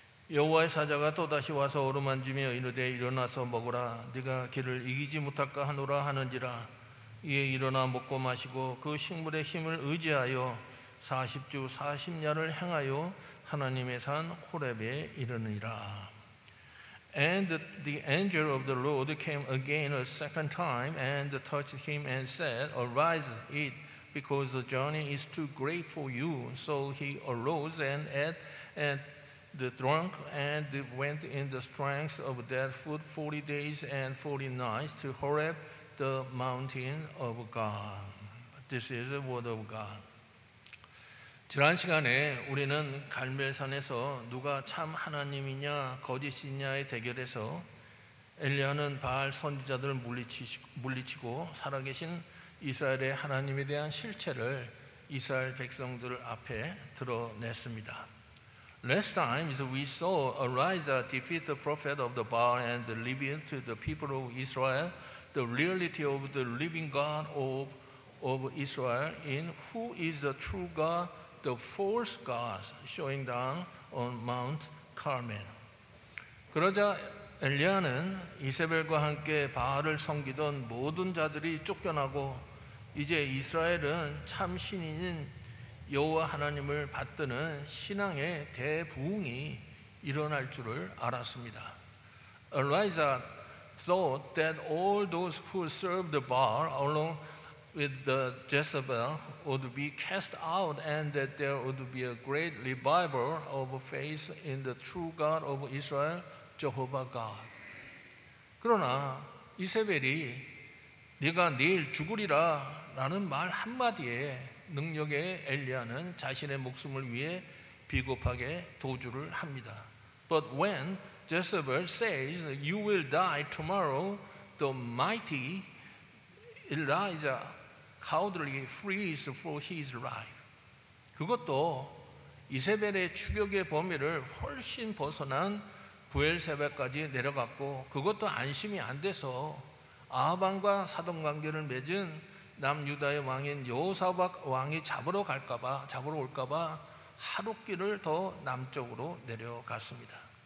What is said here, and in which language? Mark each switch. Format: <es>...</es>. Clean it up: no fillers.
<ko>여호와의 사자가 또다시 와서 어루만지며 이르되 일어나서 먹으라. 네가 길을 이기지 못할까 하노라 하는지라. 이에 일어나 먹고 마시고 그 식물의 힘을 의지하여 40주 40야를 행하여 하나님의 산 호렙에 이르느니라.</ko> <en>And the angel of the Lord came again a second time and touched him and said, Arise, eat, because the journey is too great for you. So he arose and ate and drank and went in the strength of that food 40 days and 40 nights to Horeb, the mountain of God. This is the word of God.</en> <ko>지난 시간에 우리는 갈멜산에서 누가 참 하나님이냐 거짓이냐의 대결에서 엘리야는 바알 선지자들을 물리치고 살아계신 이스라엘의 하나님에 대한 실체를 이스라엘 백성들 앞에 드러냈습니다.</ko> <en>Last time is we saw Elijah defeat the prophet of the Baal and reveal to the people of Israel the reality of the living God of Israel in who is the true God. The false gods showing down on Mount Carmel.</en> <ko>그러자 엘리야는 이세벨과 함께 바알을 섬기던 모든 자들이 쫓겨나고 이제 이스라엘은 참 신인 여호와 하나님을 받드는 신앙의 대부흥이 일어날 줄을 알았습니다.</ko> <en>Elijah thought that all those who served the Baal along with the Jezebel would be cast out and that there would be a great revival of faith in the true God of Israel, Jehovah God.</en> <ko>그러나 이세벨이 네가 내일 죽으리라 라는 말 한마디에 능력의 엘리야는 자신의 목숨을 위해 비겁하게 도주를 합니다.</ko> <en>But when Jezebel says you will die tomorrow, the mighty Elijah cowardly flees for his life.</en> <ko>그것도 이세벨의 추격의 범위를 훨씬 벗어난 부엘세벨까지 내려갔고 그것도 안심이 안 돼서 아합과 사돈 관계를 맺은 남유다의 왕인 여호사밧 왕이 잡으러 올까 봐 하루 길을 더 남쪽으로 내려갔습니다.</ko>